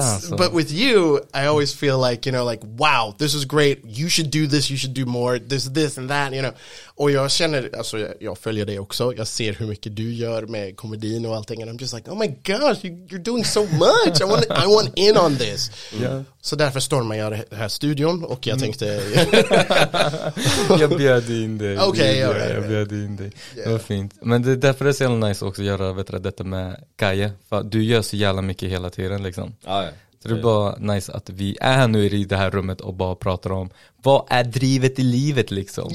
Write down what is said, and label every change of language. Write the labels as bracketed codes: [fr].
[en] But with you, I always feel like, you know, like, wow, this is great. You should do this. You should do more. This and that, you know. [sv] Och jag känner, alltså jag följer dig också. Jag ser hur mycket du gör med komedin och allting. [en] And I'm just like, oh my gosh, you're doing so much. I want in on this. Yeah. [sv] Så därför stormar jag det här studion. Och jag tänkte... jag bjöd in dig. Okej, jag bjöd in dig. Yeah. Det var fint. Men det är därför det är så jävla nice också att göra, vet du, detta med Kaje. För du gör så jävla mycket hela tiden liksom. Ah, ja. Så det är bara nice att vi är här nu i det här rummet och bara pratar om, vad är drivet i livet liksom?